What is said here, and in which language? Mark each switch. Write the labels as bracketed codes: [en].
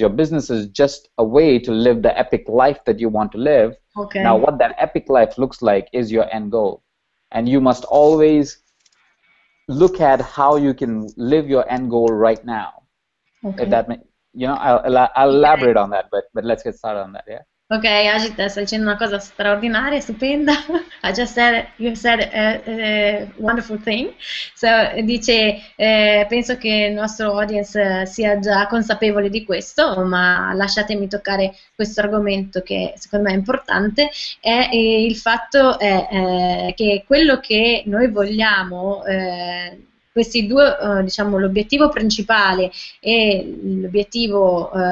[en] Your business is just a way to live the epic life that you want to live. Okay. Now, what that epic life looks like is your end goal, and you must always look at how you can live your end goal right now. Okay. If that makes, you know, I'll elaborate on that, but let's get started on that. Yeah. [it] Okay, Ajit, stai dicendo una cosa straordinaria, stupenda. [en] I just said, you said a wonderful thing. [it] So, dice, penso che il nostro audience sia già consapevole di questo, ma lasciatemi toccare questo argomento che secondo me è importante. È il fatto è, che quello che noi vogliamo, questi due, diciamo, l'obiettivo principale e l'obiettivo